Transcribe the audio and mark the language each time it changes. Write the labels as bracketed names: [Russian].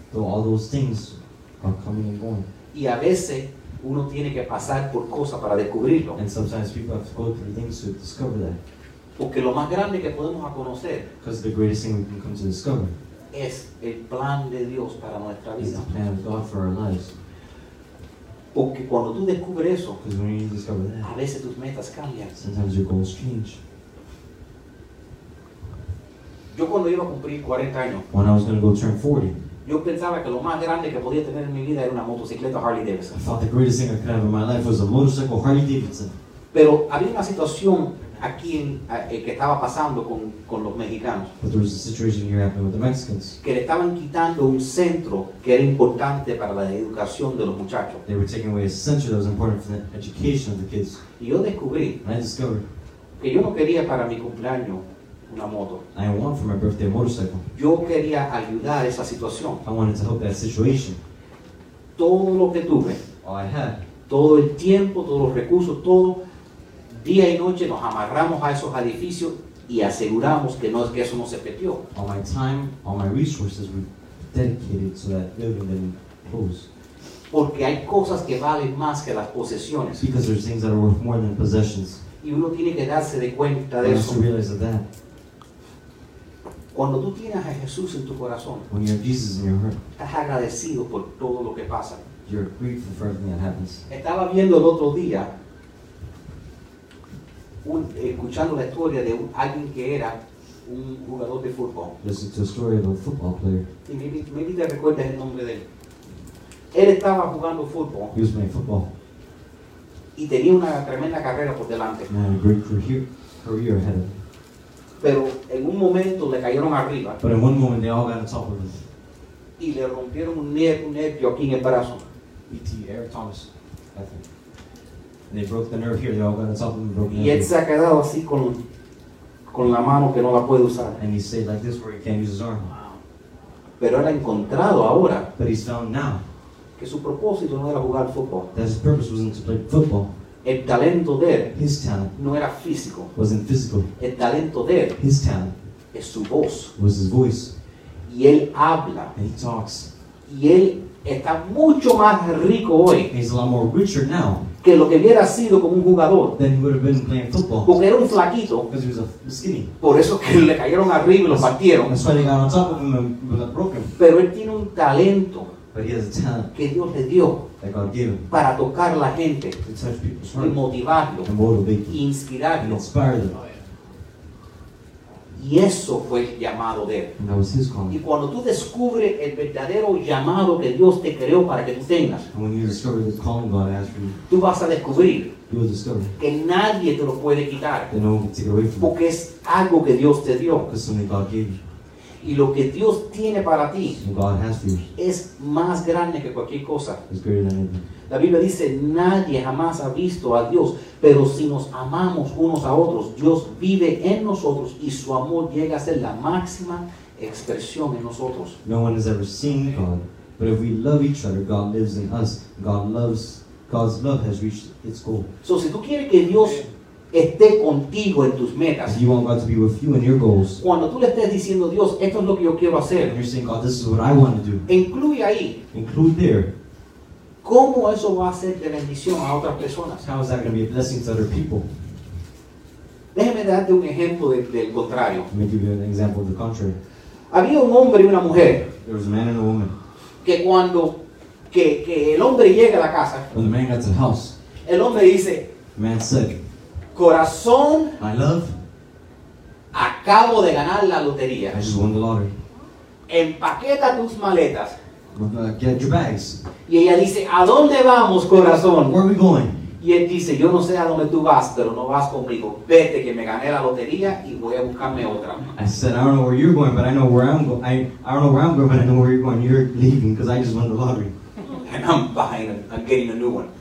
[English] So all those things are coming and going. [Spanish] Y a veces uno tiene que pasar por cosas para descubrirlo. [English] And sometimes people have to go through things to discover that. [Spanish] Porque lo más grande que podemos conocer, [English] because the greatest thing we can come to discover, [Spanish] es el plan de Dios para nuestra vida. [English] Is the plan of God for our lives. [Spanish] Porque cuando tú descubres eso, [English] because when you discover that, [Spanish] a veces tus metas cambian. [English] Sometimes your goals change. [Spanish] Yo cuando iba a cumplir 40 años, [English] when I was going to go turn 40, [Spanish] yo pensaba que lo más grande que podía tener en mi vida era una motocicleta Harley Davidson. [English] I thought the greatest thing I could have in my life was a motorcycle Harley Davidson. [Spanish] Pero había una situación aquí en, que estaba pasando con los mexicanos. [English] But there was a situation here happening with the Mexicans. [Spanish] Que le estaban quitando un centro que era importante para la educación de los muchachos. [English] They were taking away a center that was important for the education of the kids. [Spanish] Y yo descubrí, [English] and I discovered, [Spanish] que yo no quería para mi cumpleaños una moto. [English] I want for my birthday a motorcycle. [Spanish] Yo quería ayudar esa situación. [English] I wanted to help that situation. [Spanish] Todo lo que tuve, [English] all I had, [Spanish] todo el tiempo, todos los recursos, todo, día y noche nos amarramos a esos edificios y aseguramos que no, que eso no se perdió. [English] All my time, all my resources were dedicated to that building that we closed. [Spanish] Porque hay cosas que valen más que las posesiones. [English] Because there's things that are worth more than possessions. [Spanish] Y uno tiene que darse de cuenta de eso. [English] To realize that. [Spanish] Cuando tú tienes a Jesús en tu corazón, [English] when you have Jesus in your heart, [Spanish] estás agradecido por todo lo que pasa. [English] You're grateful for everything that happens. [Spanish] Estaba viendo el otro día, escuchando la historia de alguien que era un jugador de fútbol. [English] Listen to a story of a football player. [Spanish] Y maybe te recuerdas el nombre de él. Él estaba jugando fútbol. [English] He was playing football. [Spanish] Y tenía una tremenda carrera por delante. [English] And had a great career ahead of him. [Spanish] Pero en un momento le cayeron arriba. [English] But in one moment they all got on top of him. [Spanish] Y le rompieron un nervio aquí en el brazo. [English] E.T. Eric Thomas, I think. And they broke the nerve here. They all got on top of him and broke the [Spanish] nerve. Y él se ha quedado así con la mano que no la puede usar. [English] And he stayed like this where he can't use his arm. [Spanish] Wow. Pero él ha encontrado ahora. [English] But he's found now. [Spanish] Que su propósito no era jugar fútbol. [English] That his purpose wasn't to play football. [Spanish] El talento de él, [English] his talent, [Spanish] no era físico. [English] Wasn't physical. [Spanish] El talento de él, [English] his talent, [Spanish] es su voz. [English] Was his voice. [Spanish] Y él habla. [English] And he talks. [Spanish] Y él está mucho más rico hoy. [English] He's a lot more richer now. [Spanish] Que lo que hubiera sido como un jugador. [English] Than he would have been playing football. [Spanish] Porque era un flaquito. [English] Because he was a skinny. [Spanish] Por eso que le cayeron arriba y lo partieron. [English] That's why they got on top of him and was broken. [Spanish] Pero él tiene un talento. [English] But he has a talent [Spanish] que Dios le dio [English] that God gave him [Spanish] para tocar la gente, [English] to touch people's hearts, [Spanish] y motivarlo, [English] and motivate them, [Spanish] y inspirarlo, [English] and inspire them. [Spanish] Y eso fue el llamado de él. [English] And that was his calling. [Spanish] Y cuando tú descubres el verdadero llamado que Dios te creó para que tú tengas, [English] and when you discover the calling God has for you, [Spanish] tú vas a descubrir, [English] you will discover, [Spanish] que nadie te lo puede quitar, [English] that no one can take it away from, [Spanish] porque [English] you, [Spanish] es algo que Dios te dio, [English] because something God gave you. [Spanish] Y lo que Dios tiene para ti, [English] God has for you, [Spanish] es más grande que cualquier cosa. [English] It's greater than anything. [Spanish] La Biblia dice, nadie jamás ha visto a Dios, pero si nos amamos unos a otros, Dios vive en nosotros y su amor llega a ser la máxima expresión en nosotros. [English] No one has ever seen God, but if we love each other, God lives in us. God's love has reached its goal. [Spanish] So si tú quieres que Dios esté contigo en tus metas, [English] you want God to be with you in your goals, [Spanish] cuando tú le estés diciendo, Dios, esto es lo que yo quiero hacer, [English] and you're saying, God, this is what I want to do, [Spanish] incluye ahí, [English] include there, [Spanish] cómo eso va a ser de bendición a otras personas. [English] How is that going to be a blessing to other people? [Spanish] Déjeme darte un ejemplo del contrario. [English] Let me give you an example of the contrary. [Spanish] Había un hombre y una mujer. [English] There was a man and a woman. [Spanish] Que cuando que el hombre llega a la casa. [English] When the man got to the house. [Spanish] El hombre dice. [English] The man said. [Spanish] Corazón. [English] My love. [Spanish] Acabo de ganar la lotería. [English] I just won the lottery. [Spanish] Empaqueta tus maletas. [English] Get your bags. [Spanish] Y ella dice, ¿a dónde vamos, corazón? [English] Where are we going? [Spanish] Y él dice, yo no sé a dónde tú vas, pero no vas conmigo. Vete, que me gané la lotería y voy a buscarme otra. [English] I said, I don't know where you're going, but I know where I'm going. I don't know where I'm going, but I know where you're going. You're leaving because I just won the lottery. And I'm buying, I'm getting a new one.